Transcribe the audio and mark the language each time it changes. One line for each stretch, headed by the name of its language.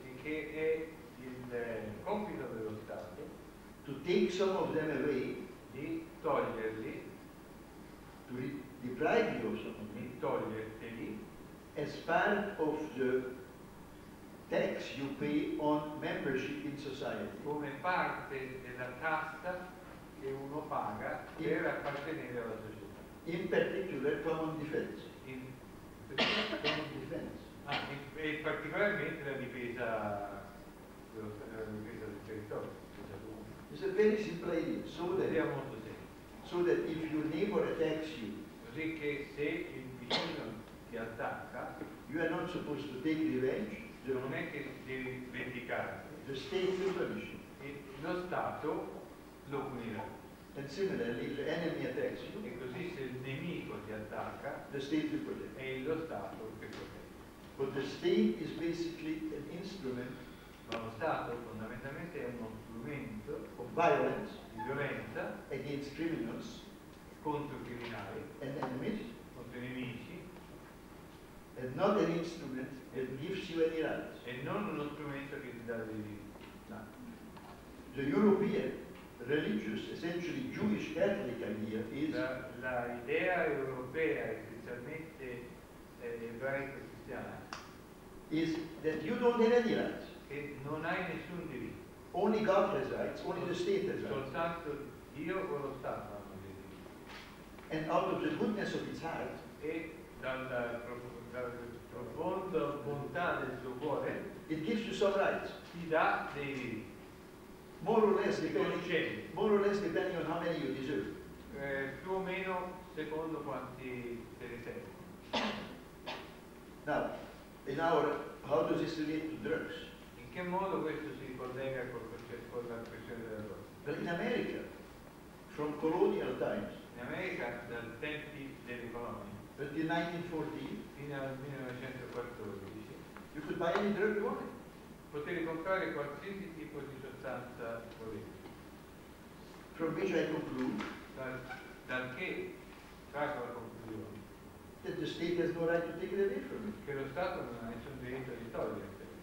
Italian: e che è il compito dello Stato,
English: to take some of them away,
Italian: di toglierli,
English: to deprive you of some of them,
Italian: di toglierteli,
English: as part of the tax you pay on membership in society,
Italian: come parte della tassa che uno paga per appartenere alla società.
English: In particular, common defense. In common defense.
Italian: Ah, e particolarmente la difesa, difesa del territorio.
English: It's a very simple idea. So that,
Italian: idea molto semplice.
English: So that if your neighbor attacks you,
Italian: così che se il vicino ti attacca,
English: you are not supposed to take revenge.
Italian: Non è che devi vendicare.
English: The state will punish you.
Italian: Lo Stato lo punirà.
English: And similarly, the enemy attacks you.
Italian: E così se il nemico ti attacca,
English: the state will protect.
Italian: E lo Stato che protegge.
English: But the state is basically an instrument.
Italian: Ma lo Stato fondamentalmente è uno strumento
English: of violence,
Italian: di violenza,
English: against criminals,
Italian: contro criminali,
English: and enemies,
Italian: contro nemici,
English: and not an instrument that gives you any rights.
Italian: E non uno strumento che ti dà dei diritti.
English: No. The European religious, essentially Jewish Catholic idea is
Italian: la idea europea, essenzialmente ebraico cristiana,
English: is that you don't have any rights.
Italian: Che non hai nessun diritto.
English: Only God has rights, only the state has rights.
Italian: Soltanto Dio o lo Stato hanno diritti.
English: And out of the goodness of its heart,
Italian: e dalla profonda bontà del suo cuore,
English: it gives you some rights.
Italian: Ti dà dei diritti.
English: More or less depending, more or less depending on how many you deserve.
Italian: Più o meno secondo quanti te ne servono.
English: Now, in our, how does this relate to drugs?
Italian: In che modo questo si collega con la questione della droga?
English: But in America, from colonial times,
Italian: in America, dal tempi delle colonie,
English: but in 1914,
Italian: fino al 1914,
English: you could buy any drug you wanted.
Italian: Potevi comprare qualsiasi tipo di sostanza volete.
English: From which I conclude,
Italian: dal che trago la conclusione,
English: that the state has no right to take it away from me.
Italian: Che lo Stato non ha nessun diritto di togliere.